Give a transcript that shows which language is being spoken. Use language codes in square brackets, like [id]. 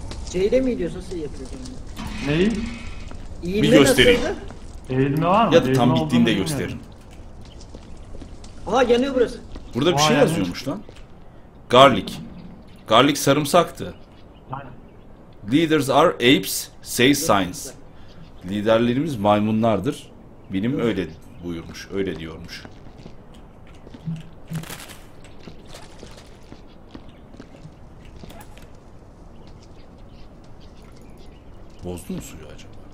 [tr] Ceyle mi gidiyorsun, nasıl yapıyorsun? Neyi? İğilme bir göstereyim. Eğilme var mı? Ya da tam bittiğinde gösterin. Yani. Aha yanıyor burası. Burada bir aa, şey yani yazıyormuş lan. [en] Garlic. Garlic sarımsaktı. Leaders are apes, say science. [tr] Liderlerimiz maymunlardır. Bilim öyle buyurmuş, öyle diyormuş. Bozdu mu suyu acaba?